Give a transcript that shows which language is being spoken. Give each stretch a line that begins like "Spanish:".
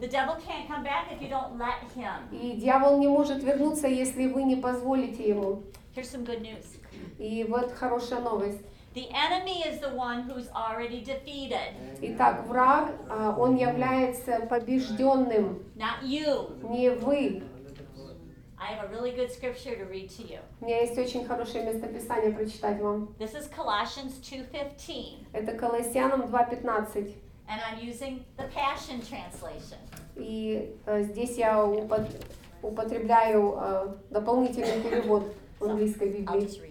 English: The devil can't come back if you don't let him.
Russian: И дьявол не может вернуться, если вы не позволите ему.
English: Here's some good news.
Russian: И вот хорошая новость.
English: The enemy is the one who's already defeated.
Russian: Итак, враг, он является побеждённым.
English: Not you.
Russian: Не вы.
English: I have a really good scripture to read to you.
Russian: У меня есть очень хорошее местописание прочитать вам.
English: This is Colossians 2:15.
Russian: Это Колоссянам 2:15.
English: And I'm using the Passion translation.
Russian: И здесь я употребляю дополнительный перевод английской Библии.